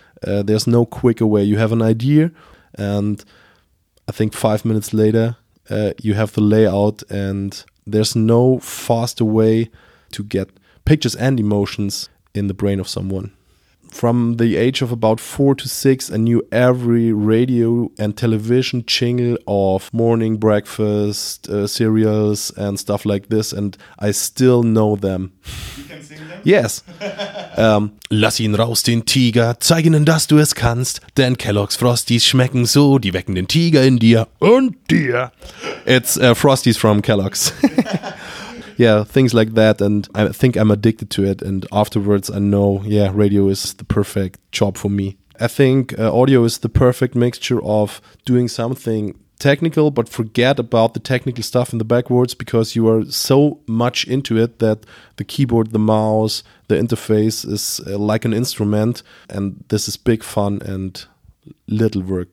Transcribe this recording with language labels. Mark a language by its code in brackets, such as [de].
[en] There's no quicker way. You have an idea and I think 5 minutes later you have the layout, and there's no faster way to get pictures and emotions in the brain of someone. From the age of about 4 to 6, I knew every radio and television jingle of morning breakfast cereals and stuff like this, and I still know them. Yes. [de] Lass ihn raus, den Tiger, zeig ihnen, dass du es kannst, denn Kellogg's Frosties schmecken so, die wecken den Tiger in dir und dir. [en] It's Frosties from Kellogg's. Yeah, things like that, and I think I'm addicted to it, and afterwards I know, yeah, radio is the perfect job for me. I think audio is the perfect mixture of doing something technical, but forget about the technical stuff in the backwards, because you are so much into it that the keyboard, the mouse, the interface is like an instrument, and this is big fun and little work.